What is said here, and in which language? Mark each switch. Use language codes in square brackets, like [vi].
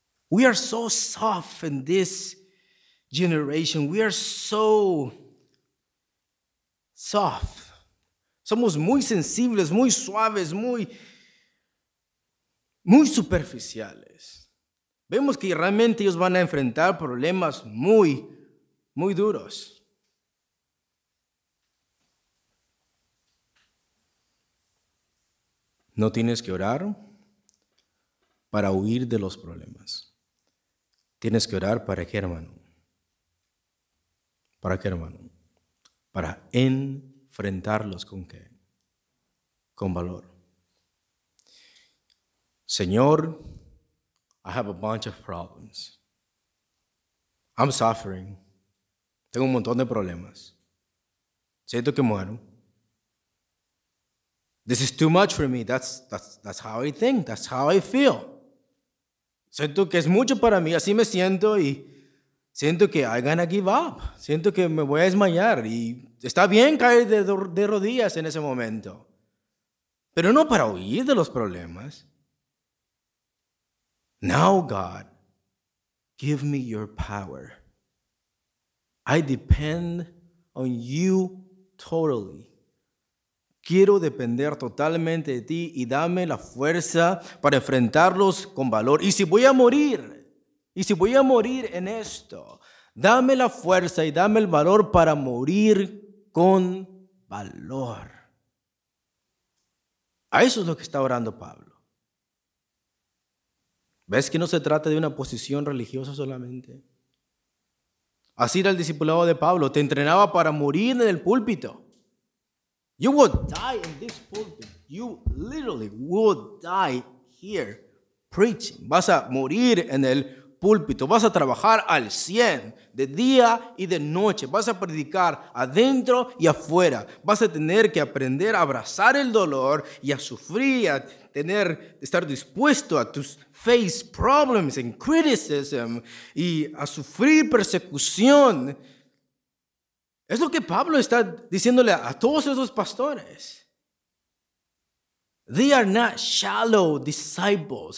[en] We are so soft in this generation. We are so soft. [es] Somos muy sensibles, muy suaves, muy superficiales. Vemos que realmente ellos van a enfrentar problemas muy, muy duros. No tienes que orar para huir de los problemas. Tienes que orar para qué, hermano. ¿Para qué, hermano? Para enfrentarlos con qué. Con valor. [en] Señor, I have a bunch of problems. I'm suffering. [es] Tengo un montón de problemas. Siento que muero. [en] This is too much for me. That's how I think. That's how I feel. [es] Siento que es mucho para mí. Así me siento y siento que [en] I'm gonna give up. [es] Siento que me voy a desmayar. Y está bien caer de rodillas en ese momento. Pero no para huir de los problemas. [en] Now, God, give me your power. I depend on you totally. [es] Quiero depender totalmente de ti y dame la fuerza para enfrentarlos con valor. Y si voy a morir, y si voy a morir en esto, dame la fuerza y dame el valor para morir con valor. A eso es lo que está orando Pablo. ¿Ves que no se trata de una posición religiosa solamente? Así era el discipulado de Pablo. Te entrenaba para morir en el púlpito. [en] You will die in this pulpit. You literally will die here preaching. [es] Vas a morir en el púlpito. Vas a trabajar al 100 de día y de noche. Vas a predicar adentro y afuera. Vas a tener que aprender a abrazar el dolor y a sufrir, a tener, estar dispuesto a tus [en] face problems and criticism [es] y a sufrir persecución. Es lo que Pablo está diciéndole a todos esos pastores. [en] They are not shallow disciples.